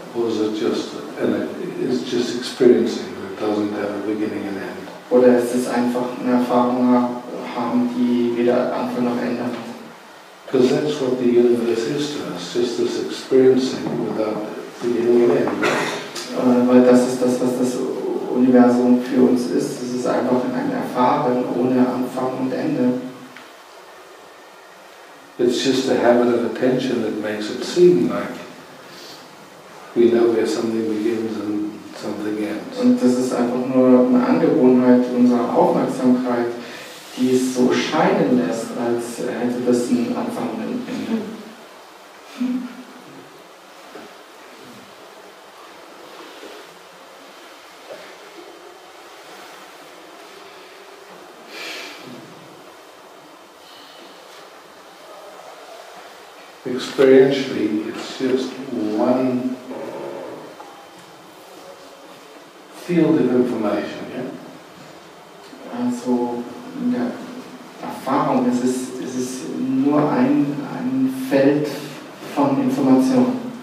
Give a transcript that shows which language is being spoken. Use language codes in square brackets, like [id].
[en] Or is it just, and it's just experiencing? Doesn't have a beginning and end. [de] Oder ist es einfach eine Erfahrung haben, die weder Anfang noch Ende hat? [en] Because that's what the universe is to us, just this experiencing without beginning and end. [de] Weil das ist das, was das Universum für uns ist. Es ist einfach ein Erfahren ohne Anfang und Ende. [en] It's just the habit of attention that makes it seem like we know where something begins and something ends. [de] Und das ist einfach nur eine Angewohnheit unserer Aufmerksamkeit, die es so scheinen lässt, als hätte das ein Anfang und ein Ende. [en] Experientially, it's just one field of information, yeah? [de] Also, in der Erfahrung, es ist nur ein Feld von Information.